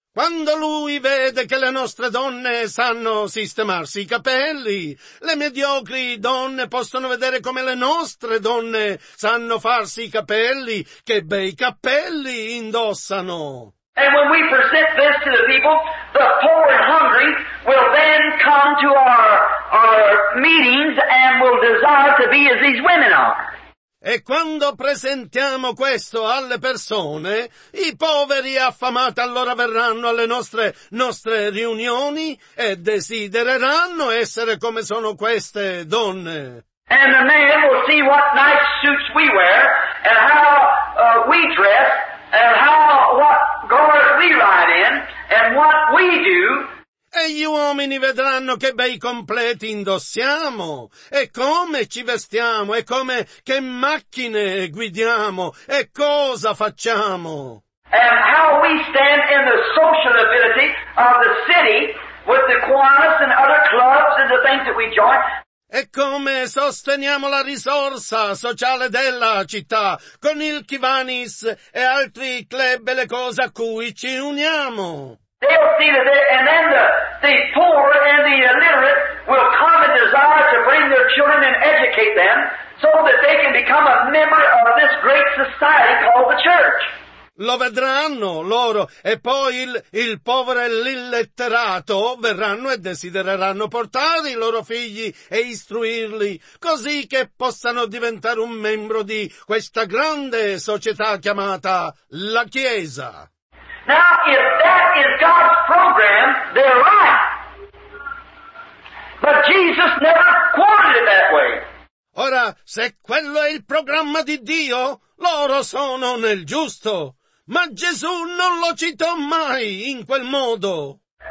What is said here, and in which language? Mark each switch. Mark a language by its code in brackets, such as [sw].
[it] Quando lui vede che le nostre donne sanno sistemarsi i capelli, le mediocri donne possono vedere come le nostre donne sanno farsi i capelli, che bei capelli indossano. [en] And when we present this to the people, the poor and hungry will then come to our meetings and will desire to be as these women are. [it] E quando presentiamo questo alle persone, i poveri e affamati allora verranno alle nostre riunioni e desidereranno essere come sono queste donne. [en] And the man will see what nice suits we wear, and how we dress, and how what guard we ride in, and what we do. [it] E gli uomini vedranno che bei completi indossiamo, e come ci vestiamo, e come che macchine guidiamo, e cosa facciamo. [en] And how we stand in the sociability of the city with the Kiwanis and other clubs and the things that we join. [it] E come sosteniamo la risorsa sociale della città con il Kiwanis e altri club e le cose a cui ci uniamo. [en] They'll see that the poor and the illiterate will come and desire to bring their children and educate them so that they can become a member of this great society called the church. [it] Lo vedranno loro e poi il povero e l'illetterato verranno e desidereranno portare i loro figli e istruirli così che possano diventare un membro di questa grande società chiamata la Chiesa. [en] Now, if that is God's program, they're right. But Jesus never quoted it that way. [it] Ora, se quello è il programma di Dio, loro sono nel giusto. Ma Gesù non lo citò mai in quel modo.